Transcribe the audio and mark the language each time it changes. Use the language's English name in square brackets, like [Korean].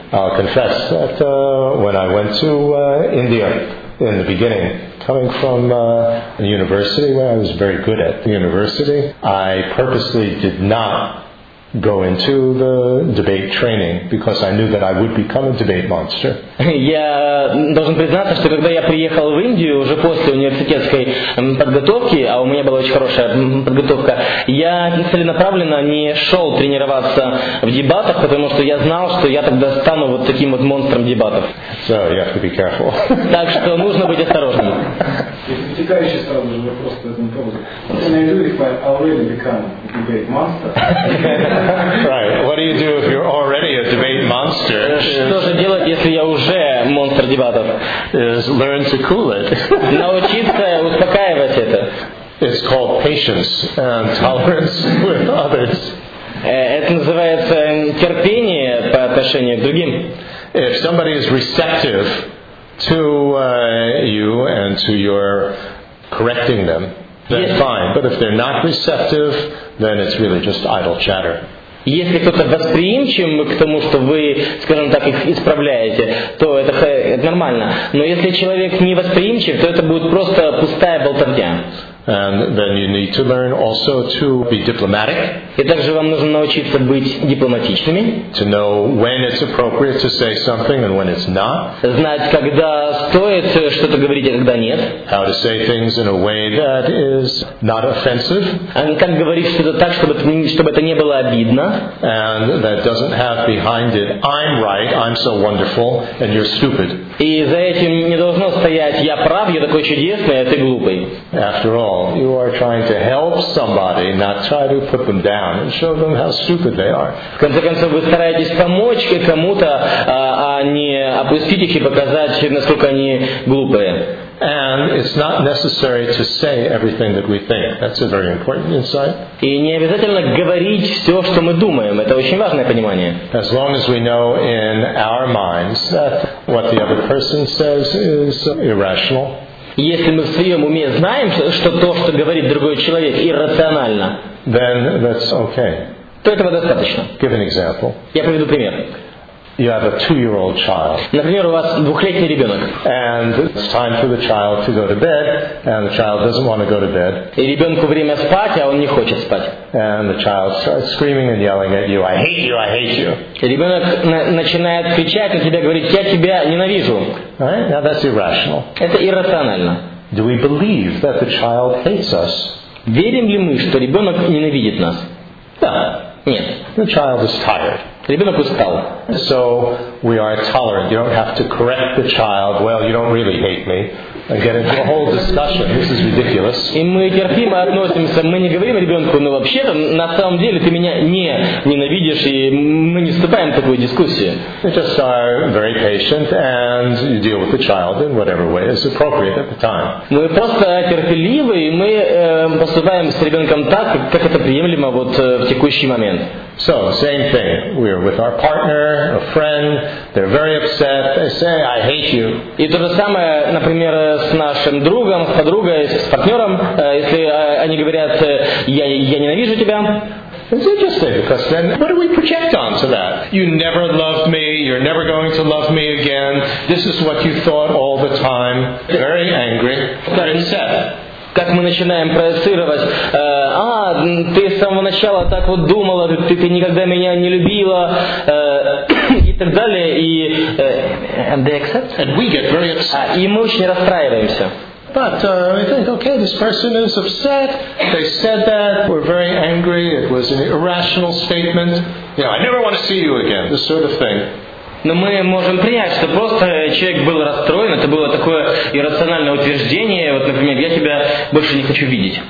[English] I'll confess that when I went to India in the beginning, coming from a university where I was very good at the university, I purposely did not go into the debate training because I knew that I would become a debate monster. [Russian] Я должен признаться, что когда я приехал в Индию уже после университетской подготовки, а у меня была очень хорошая подготовка, я целенаправленно не шел тренироваться в дебатах, потому что я знал, что я тогда стану вот таким вот монстром дебатов. [English] So you have to be careful. [Russian] Так что нужно быть осторожным. Если вытекающие сразу же вопросы по этому поводу, [English] can I do if I already become a debate monster? Right. What do you do if you're already a debate monster? [Russian] Что же делать, если я уже монстр дебатов? [English] Is learn to cool it. [Russian] Научиться успокаивать это. [English] It's called patience and tolerance with others. [Russian] Это называется терпение по отношению к другим. [English] If somebody is receptive to you and to your correcting them, then fine. But if they're not receptive, then it's really just idle chatter. [Russian] Если кто-то восприимчив к тому, что вы, скажем так, их исправляете, то это нормально. Но если человек не восприимчив, то это будет просто пустая болтовня. [English] And then you need to learn also to be diplomatic. [Russian] И также вам нужно научиться быть дипломатичными. [English] To know when it's appropriate to say something and when it's not. [Russian] Знать, когда стоит что-то говорить, а когда нет. [English] How to say things in a way that is not offensive. [Russian] And как говорить что-то так, чтобы это не было обидно. [English] And that doesn't have behind it, I'm right, I'm so wonderful, and you're stupid. [Russian] И за этим не должно стоять, я прав, я такой чудесный, а ты глупый. [English] After all, you are trying to help somebody, not try to put them down and show them how stupid they are. [Russian] В конце концов, вы стараетесь помочь кому-то, а не опустить их и показать, насколько они глупые. [English] And it's not necessary to say everything that we think. That's a very important insight. [Russian] И не обязательно говорить все, что мы думаем. Это очень важное понимание. [English] As long as we know in our minds that what the other person says is irrational. [Russian] Если мы в своем уме знаем, что то, что говорит другой человек, иррационально, [English] then that's okay. [Russian] То этого достаточно. [English] Give an example. [Russian] Я приведу пример. [English] You have a 2-year-old child. [Russian] Например, у вас двухлетний ребенок. [English] And it's time for the child to go to bed, and the child doesn't want to go to bed. [Russian] И ребенку время спать, а он не хочет спать. [English] And the child starts screaming and yelling at you, I hate you, I hate you. [Russian] И ребенок начинает кричать на тебя, говорит, я тебя ненавижу. [English] Right? Now that's irrational. [Russian] Это иррационально. [English] Do we believe that the child hates us? [Russian] Верим ли мы, что ребенок ненавидит нас? Да. Нет. [English] The child is tired. [Russian] Ребенок устал. [English] So we are tolerant. You don't have to correct the child. Well, you don't really hate me. And get into a whole discussion. This is ridiculous. [Russian] И мы терпимо относимся. Мы не говорим ребенку, ну вообще-то, на самом деле, ты меня не ненавидишь, и мы не вступаем в такую дискуссию. [English] You just are very patient, and you deal with the child in whatever way is appropriate at the time. [Russian] Мы просто терпеливы, и мы поступаем с ребенком так, как это приемлемо вот в текущий момент. [English] So, same thing. We are with our partner, a friend. They're very upset. They say, I hate you. [Russian] И то же самое, например, с нашим другом, с подругой, с партнером, если они говорят, я ненавижу тебя. [English] It's interesting, because then what do we project onto that? You never loved me, you're never going to love me again. This is what you thought all the time. Very angry. Very upset. [Russian] так мы начинаем проецировать. А, ты с самого начала так вот думала, ты никогда меня не любила, и так далее. [English] И, and they accept. And we get very upset. [Russian] И мы очень расстраиваемся. [English] But we think, okay, this person is upset. They said that. We're very angry. It was an irrational statement. You know, I never want to see you again. This sort of thing. [Russian] Но мы можем принять, что просто человек был расстроен, это было такое иррациональное утверждение, вот, например, я тебя больше не хочу видеть.